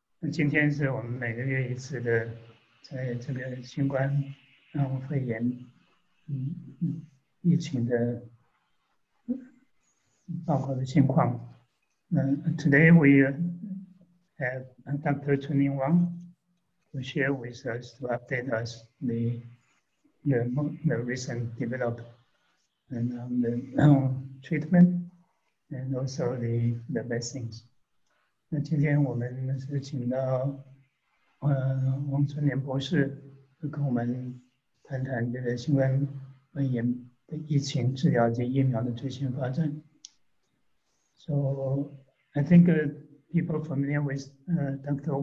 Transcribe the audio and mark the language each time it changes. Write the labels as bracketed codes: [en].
[zh] 今天是我们每个月一次的在这个新冠肺炎疫情的报告的情况。 [en] Today we have Dr. Cunlin Wang to share with us to update us the recent development and the treatment and also the vaccines. [zh] 那今天我们是请到王春莲博士跟我们谈谈这个新冠肺炎的疫情治疗及疫苗的最新发展。 [en] So I think people are familiar with Dr.